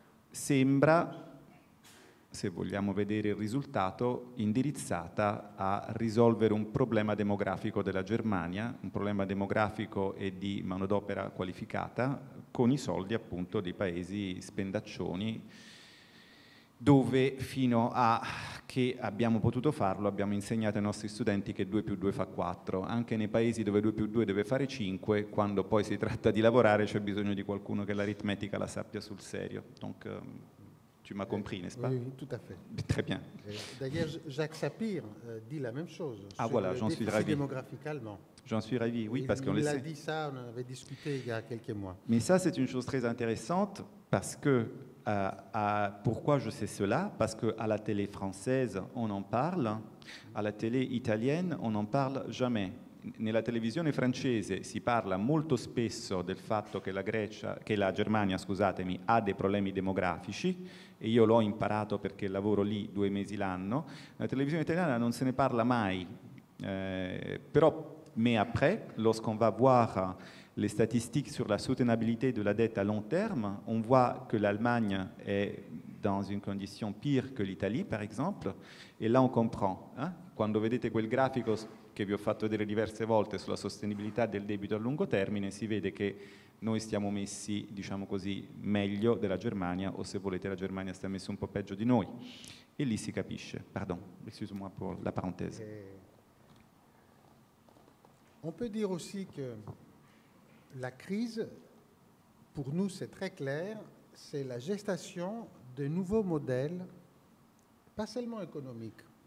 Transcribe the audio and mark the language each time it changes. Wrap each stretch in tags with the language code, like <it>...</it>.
<it>sembra, se vogliamo vedere il risultato, indirizzata a risolvere un problema demografico della Germania, un problema demografico e di manodopera qualificata, con i soldi appunto dei paesi spendaccioni, dove fino a che abbiamo potuto farlo abbiamo insegnato ai nostri studenti che 2 più 2 fa 4, anche nei paesi dove 2 più 2 deve fare 5, quando poi si tratta di lavorare c'è bisogno di qualcuno che l'aritmetica la sappia sul serio.</it> <fr>Donc, tu m'as compris, n'est-ce pas? Oui, tout à fait. Très bien. D'ailleurs, Jacques Sapir dit la même chose. Ah voilà, j'en suis ravi. Démographique allemand. J'en suis ravi, oui, parce qu'on le sait. Il a dit ça, on en avait discuté il y a quelques mois. Mais ça, c'est une chose très intéressante, parce que, pourquoi je sais cela? Parce qu'à la télé française, on en parle, à la télé italienne, on n'en parle jamais.</fr> <it>nella televisione francese si parla molto spesso del fatto che la Grecia, che la Germania, scusatemi, ha dei problemi demografici, e io l'ho imparato perché lavoro lì 2 mesi l'anno. La televisione italiana non se ne parla mai, però,</it> <fr>mais après, lorsqu'on va voir les statistiques sur la soutenabilité de la dette à long terme, on voit que l'Allemagne est dans une condition pire que l'Italie, par exemple, et là on comprend. Hein?</fr> <it>Quando vedete quel grafico che vi ho fatto vedere diverse volte sulla sostenibilità del debito a lungo termine, si vede che noi stiamo messi, diciamo così, meglio della Germania, o se volete la Germania sta messa un po' peggio di noi. E lì si capisce.</it> <fr>Pardon, excuse-moi pour la parenthèse. On peut dire aussi que la crise, pour nous c'est très clair, c'est la gestation de nouveaux modèles, pas seulement économiques.</fr>